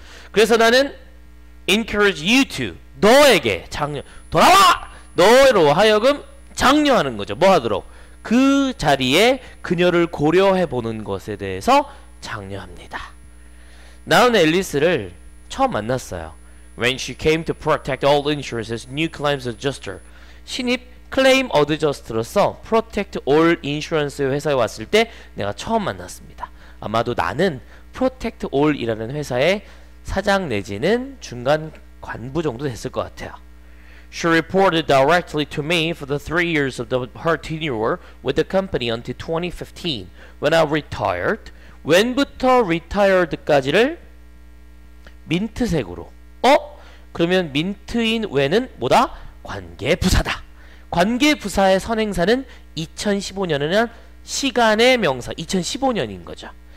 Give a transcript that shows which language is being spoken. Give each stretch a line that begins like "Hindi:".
Korean: 그래서 나는
English: encourage you to
Korean: 너에게 장려 돌아와! 너로 하여금 장려하는 거죠. 뭐 하도록? 그 자리에 그녀를 고려해 보는 것에 대해서 장려합니다. 나는 앨리스를 처음 만났어요.
English: When she came to protect all insurance's new claims adjuster.
Korean: 신입 claim adjuster로서 protect all insurance 회사에 왔을 때 내가 처음 만났습니다. 아마도 나는 protect all이라는 회사의 사장 내지는 중간 관부 정도 됐을 것 같아요.
English: She reported directly to me for the 3 years of her tenure with the company until 2015 when I retired.
Korean: When부터 retired까지를 민트색으로. 어? 그러면 민트인 when은 뭐다? 관계부사다. 관계부사의 선행사는 2015년에는 시간의 명사, 2015년인 거죠.